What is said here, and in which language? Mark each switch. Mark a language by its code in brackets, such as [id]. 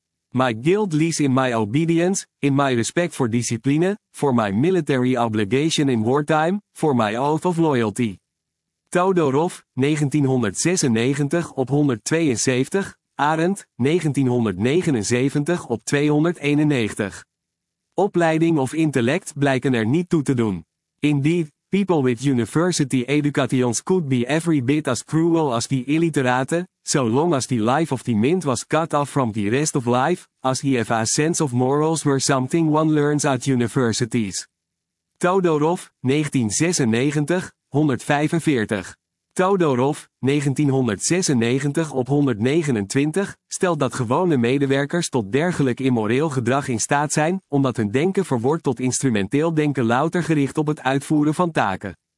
[en] My guilt lies in my obedience, in my respect for discipline, for my military obligation in wartime, for my oath of loyalty. [nl] Todorov, 1996 op 172, Arendt, 1979 op 291. Opleiding of intellect blijken er niet toe te doen. [en] Indeed, people with university educations could be every bit as cruel as the illiterate, so long as the life of the mint was cut off from the rest of life, as if a sense of morals were something one learns at universities. [nl] Todorov, 1996, 145. Todorov, 1996 op 129, stelt dat gewone medewerkers tot dergelijk immoreel gedrag in staat zijn, omdat hun denken verwort tot instrumenteel denken louter gericht op het uitvoeren van taken.